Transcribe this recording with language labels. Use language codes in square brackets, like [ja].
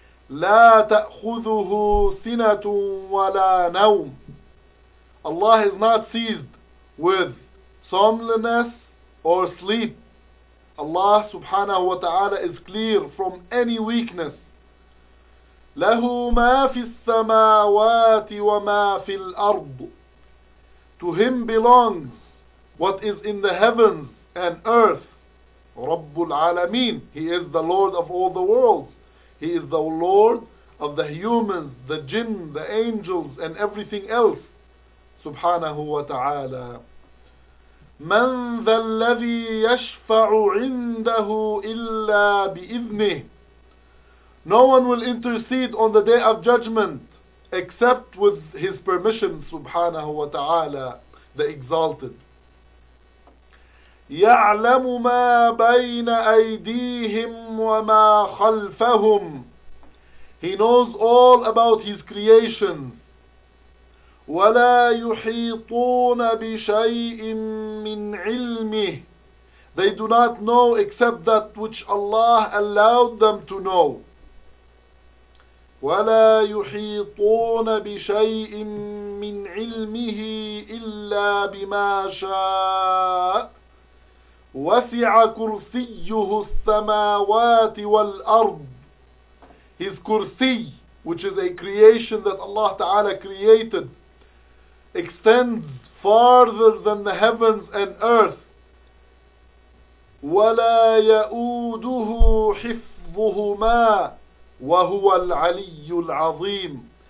[ar] لا تأخذه سنة ولا نوم. [en] Allah is not seized with somnolence or sleep. Allah subhanahu wa ta'ala is clear from any weakness. [ar] له ما في السماوات وما في الأرض. [en] To him belongs what is in the heavens and earth. [ar] رب العالمين. [en] He is the Lord of all the worlds. He is the Lord of the humans, the jinn, the angels, and everything else. [ar] سبحانه وتعالى. من ذا الذي يشفع عنده إلا بإذنه. [en] No one will intercede on the Day of Judgment except with his permission, subhanahu wa ta'ala, the Exalted. [ar] يَعْلَمُ مَا بَيْنَ أَيْدِيهِمْ وَمَا خَلْفَهُمْ. [en] He knows all about his creations. [ar] وَلَا يُحِيطُونَ بِشَيْءٍ مِّنْ عِلْمِهِ. [en] They do not know except that which Allah allowed them to know. [ar] ولا يحيطون بشيء من علمه إلا بما شاء وسع كرسيه السماوات والأرض. [en] His kursi, which is a creation that Allah Ta'ala created, extends farther than the heavens and earth. [ar] ولا يؤوده حفظهما وَهُوَ الْعَلِيُّ الْعَظِيمُ.